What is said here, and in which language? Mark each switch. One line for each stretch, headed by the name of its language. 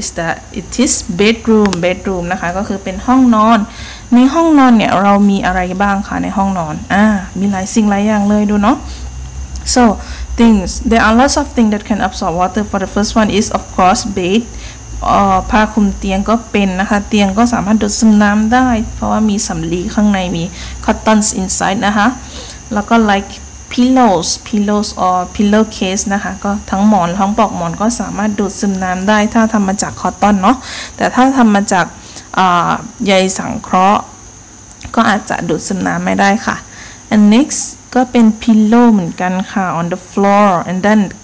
English: Is that it is bedroom? Bedroom,
Thai: นะคะก็คือเป็นห้องนอนในห้องนอนเนี่ยเรามีอะไรบ้างคะในห้องนอนมีหลายสิ่งหลายอย่างเลยดูเนาะ
English: So things there are lots of things that can absorb water. For the first one is of course bed.
Thai: ผ้าคลุมเตียงก็เป็นนะคะเตียงก็สามารถดูดซึมน้ำได้เพราะว่ามีสำลีข้างในมี
English: cottons inside
Thai: นะคะแล้วก็
English: likePillows or pillowcase
Thai: นะคะก็ทั้งหมอนทั้งปลอกหมอนก็สามารถดูดซึมน้ำได้ถ้าทำมาจากคอตตอนเนาะแต่ถ้าทำมาจากใยสังเคราะห์ก็อาจจะดูดซึมน้ำไม่ได้ค่ะ
English: and next
Thai: ก็เป็น pillow เหมือนกันค่ะ
English: on the floor and then